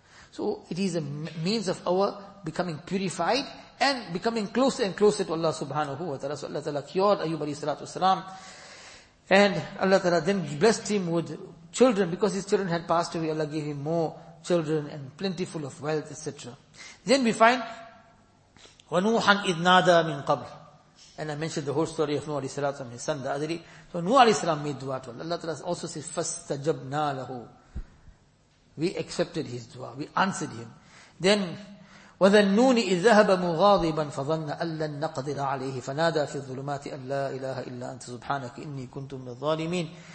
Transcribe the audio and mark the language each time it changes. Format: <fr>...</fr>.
<en>So it is a means of our becoming purified and becoming closer and closer to Allah subhanahu wa ta'ala. So Allah Ta'ala cured Ayyub alayhi salatu wasalam, and Allah Ta'ala then blessed him with children. Because his children had passed away, Allah gave him more children and plentiful of wealth, etc. Then we find,</en> <ar>وَنُوحًا إِذْ نَادَى مِنْ قَبْلِ.</ar> <en>And I mentioned the whole story of Nuh alayhi salam, his son, the Adri. So Nuh alayhi salam made dua to Allah. Allah also says,</en> <ar>فَاسْتَجَبْنَا لَهُ.</ar> <en>We accepted his dua. We answered him. Then,</en> <ar>وَذَنُّونِ إِذْ ذَهَبَ مُغَاضِبًا فَظَنَّ أَلَّا نَقْدِرَ عَلَيْهِ فَنَادَى فِي الظُّلُمَاتِ أَنْ لَا إِلَهَ إِلَّا أَنْتَ سُبْحَانَكَ إِنِّي كُنْتُ مِنَ الظَّالِمِينَ.</ar>